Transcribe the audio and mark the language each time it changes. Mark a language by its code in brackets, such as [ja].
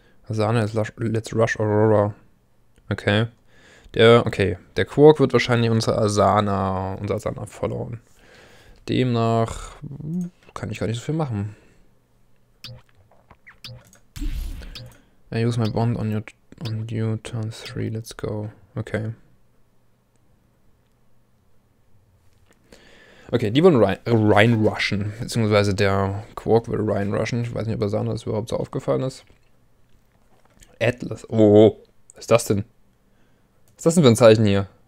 [de] Sahne, [en] let's rush Aurora. [de] Okay. Der Quark wird wahrscheinlich unser Asana followen. Demnach kann ich gar nicht so viel machen. [en] I use my bond on you, turn 3, let's go. Okay. [de] Okay, die wollen rein rushen. Beziehungsweise der Quark will rein rushen. Ich weiß nicht, ob Asana das überhaupt so aufgefallen ist. Atlas. Oh, was ist das denn? Was ist das denn für ein Zeichen hier?